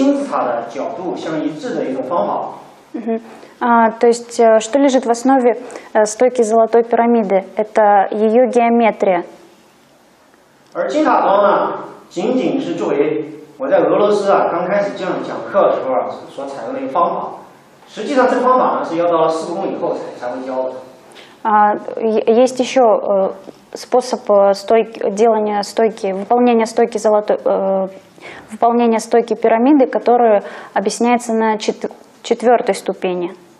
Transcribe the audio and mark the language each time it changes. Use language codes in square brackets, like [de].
[zh] 金塔功呢，它是采用了金字塔的效应和金字塔的角度相一致的一种方法。 [ru] То есть, что лежит в основе стойки золотой пирамиды? Это ее геометрия. [zh] 而金塔功呢，仅仅是作为我在俄罗斯啊刚开始讲课的时候啊所采用的一个方法。实际上，这方法呢是要到了四公里后才会教的。 [ru] Есть еще способ стойки, делания стойки, выполнения стойки золотой, выполнения стойки пирамиды, которую объясняется на четвертой ступени.